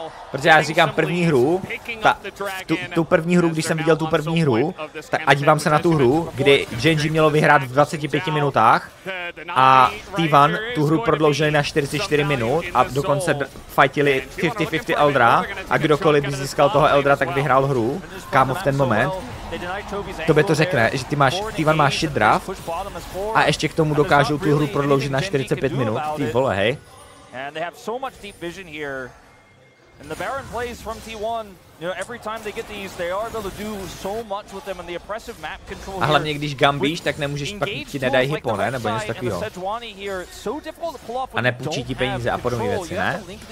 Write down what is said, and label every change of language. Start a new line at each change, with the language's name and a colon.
Czech: Protože já říkám první hru, tu první hru, tak a dívám se na tu hru, kdy Genji mělo vyhrát v 25 minutách a T1 tu hru prodloužili na 44 minut a dokonce fightili 50-50 Eldra a kdokoliv by získal toho Eldra, tak vyhrál hru, kámo, v ten moment. Tobě to řekne, že ty máš, T1 má shit draft a ještě k tomu dokážou tu hru prodloužit na 45 minut, ty vole, hej.
English: And they have so much deep vision here. And the Baron plays from T1, you know, every time they get these, they are able to do so much with them and the oppressive map control here.
Czech: A hlavně když gambíš, tak nemůžeš pak ti nedají hypo, ne? Nebo něco takového.
English: So difficult to pull off.
Czech: A nepůjčí ti peníze a podobné věci, ne?